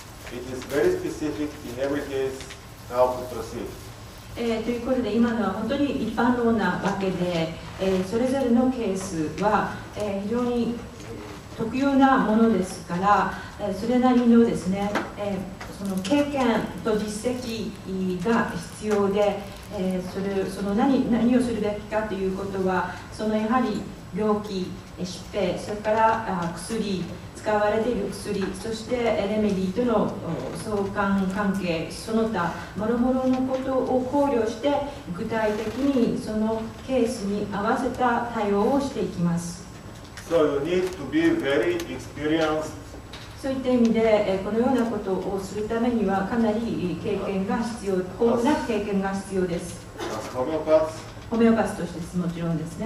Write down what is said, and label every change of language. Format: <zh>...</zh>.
<en>It is very specific in every case how to proceed.</en> <ja>ということで今のは本当に一般論なわけで、それぞれのケースは、非常に特有なものですから、それなりのですね、その経験と実績が必要で、その何をするべきかということは、そのやはり病気、疾病、それから薬、使われている薬、そしてレメディとの相関関係、その他諸々のことを考慮して具体的にそのケースに合わせた対応をしていきます。</ja> <en>So you need to be very experienced.</en> <ja>そういった意味でこのようなことをするためにはかなり経験が必要、豊富な経験が必要です。</ja> <en>As homeopaths,</en> <ja>ホメオパスとしてもちろんですね。</ja>